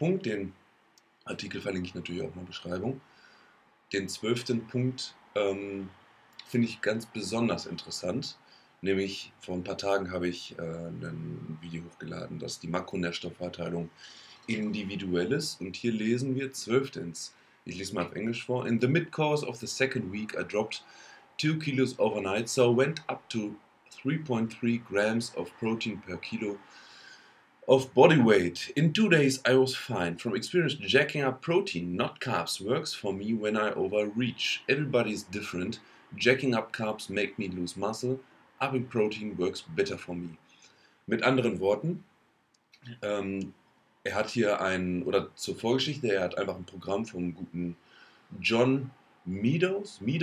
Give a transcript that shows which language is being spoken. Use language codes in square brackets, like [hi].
[de] Punkt, den Artikel verlinke ich natürlich auch in der Beschreibung, den 12. Punkt finde ich ganz besonders interessant. Nämlich vor ein paar Tagen habe ich ein Video hochgeladen, dass die Makronährstoffverteilung individuell ist. Und hier lesen wir 12. Ich lese mal auf Englisch vor. [en] In the mid-course of the second week I dropped 2 kilos overnight, so went up to 3.3 grams of protein per kilo of body weight. In 2 days I was fine. From experience, jacking up protein, not carbs, works for me when I overreach. Everybody is different. Jacking up carbs make me lose muscle. Upping protein works better for me. [de] Mit anderen Worten, er hat hier ein, oder zur Vorgeschichte, er hat einfach ein Programm vom guten John Meadows.